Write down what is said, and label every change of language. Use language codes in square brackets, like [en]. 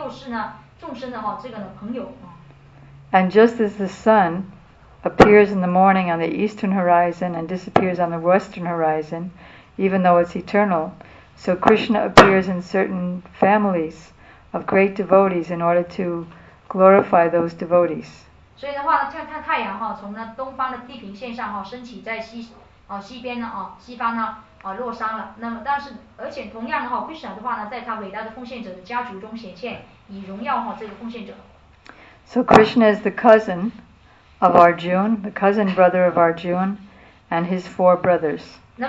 [zh] 所以呢，尽管呢哈他是所有的这个呢哈宇宙的源头了哈，宇宙呢从他而来，但是呢同时呢又是呢众生的哈这个呢朋友。 [en] And just as the sun appears in the morning on the eastern horizon and disappears on the western horizon, even though it's eternal, so Krishna appears in certain families of great devotees in order to glorify those devotees. [zh] 所以的话呢，像太阳哈，从那东方的地平线上哈升起，在西边呢啊落山了。那么，但是而且同样的话，Krishna的话呢，在他伟大的奉献者的家族中显现，以荣耀哈这个奉献者。 [en] So Krishna is the cousin of Arjun, the cousin brother of Arjun, and his four brothers.